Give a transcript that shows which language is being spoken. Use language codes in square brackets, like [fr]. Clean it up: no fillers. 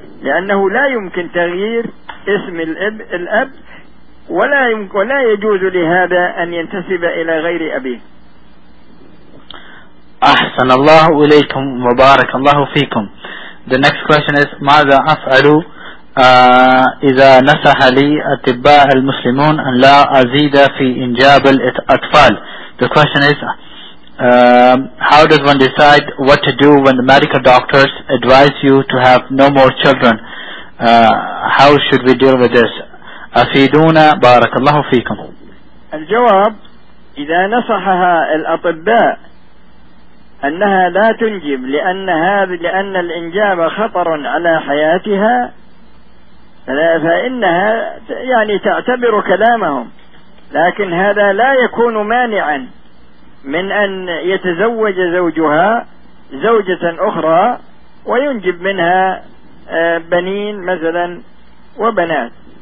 [ar] لأنه لا يمكن تغيير اسم الأب ولا يمكن ولا يجوز لهذا أن ينتسب إلى غير أبيه. أحسن الله إليكم وبارك الله فيكم. [en] The next question is [ar] ماذا أفعل إذا نصح لي أطباء المسلمون أن لا أزيد في إنجاب الأطفال. [en] The question is how does one decide what to do when the medical doctors advise you to have no more children? How should we deal with this? [ar] أفيدونا بارك الله فيكم. الجواب إذا نصحها الأطباء أنها لا تنجب لأن الإنجاب خطر على حياتها فإنها يعني تعتبر كلامهم، لكن هذا لا يكون مانعا من أن يتزوج زوجها زوجة أخرى وينجب منها بنين مثلا وبنات.